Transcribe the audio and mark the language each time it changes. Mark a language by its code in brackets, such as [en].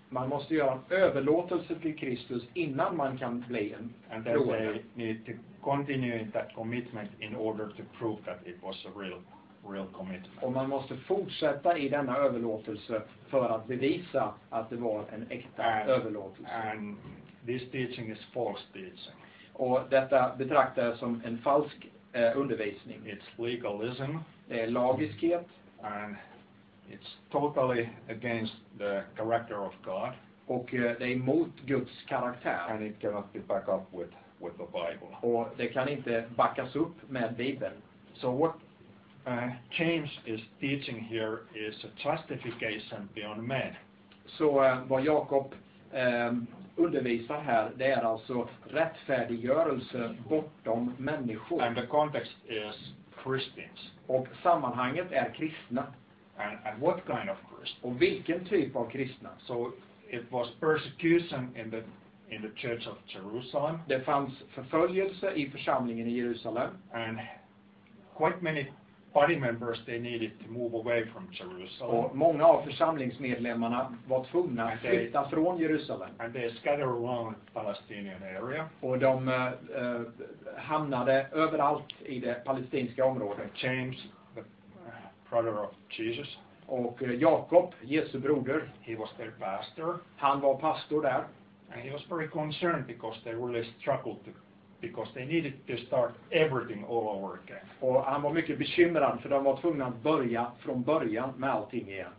[sv] Man måste göra en överlåtelse till Kristus innan man kan bli en [en] and then [sv] troende. [en] They need to continue in that commitment in order to prove that it was a real commitment. [sv] Och man måste fortsätta i denna överlåtelse för att bevisa att det var en äkta överlåtelse. [en] And this teaching is false teaching. [sv] Och detta betraktas som en falsk undervisning. [en] It's legalism. [sv] Det är lagiskhet. [en] And it's totally against the character of God. [sv] Och det är emot Guds karaktär. [en] And it cannot be back up with the Bible. [sv] Och det kan inte backas upp med Bibeln. [en] So what James is teaching here is a justification beyond man. [sv] Så vad Jakob undervisar här, det är alltså rättfärdiggörelse bortom människor. [en] And the context is Christians. [sv] Och sammanhanget är kristna. [en] And what kind of Christians? [sv] Och vilken typ av kristna? [en] So it was persecution in the church of Jerusalem. [sv] Det fanns förföljelse i församlingen i Jerusalem. [en] And quite many body members they needed to move away from Jerusalem. [sv] Och många av församlingsmedlemmarna var tvungna att flytta från Jerusalem. [en] And they scattered around the Palestinian area. [sv] Och de hamnade överallt i det palestinska området. [en] James, the brother of Jesus. [sv] Och Jakob, Jesu broder. [en] He was their pastor. [sv] Han var pastor där. [en] And he was very concerned because they really struggled to. Because they needed to start everything all over again. [sv] Och han var mycket bekymrad för de var tvungna att börja från början med allting igen.